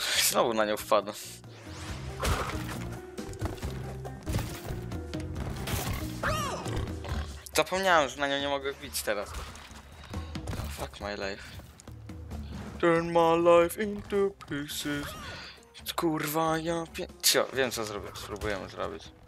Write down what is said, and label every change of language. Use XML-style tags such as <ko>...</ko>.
<pl>Znowu na nią wpadł. Zapomniałem, że na nią nie mogę wbić teraz.</pl> <en>Fuck my life. Turn my life into pieces.</en> <pl>Kurwa, ja pie... Cio, wiem co zrobię, spróbujemy zrobić.</pl>